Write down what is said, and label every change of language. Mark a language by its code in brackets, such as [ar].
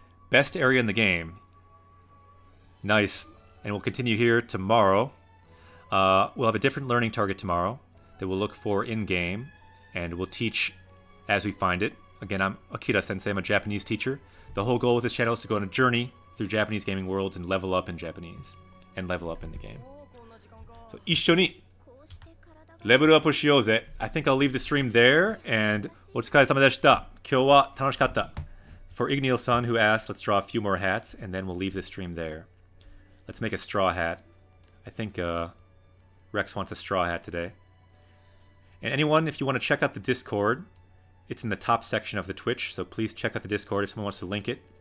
[en] Best area in the game. Nice. And we'll continue here tomorrow. We'll have a different learning target tomorrow that we'll look for in-game, and we'll teach as we find it. Again, I'm Akira-sensei. I'm a Japanese teacher. The whole goal of this channel is to go on a journey through Japanese gaming worlds and level up in Japanese and level up in the game. [ja] So, 一緒にレベルアップしようぜ。 [en] I think I'll leave the stream there, and [ja] お疲れ様でした。今日は楽しかった。 [en] For Igneel-san, who asked, let's draw a few more hats, and then we'll leave the stream there. Let's make a straw hat. I think Rex wants a straw hat today. And anyone, if you want to check out the Discord, it's in the top section of the Twitch, so please check out the Discord if someone wants to link it.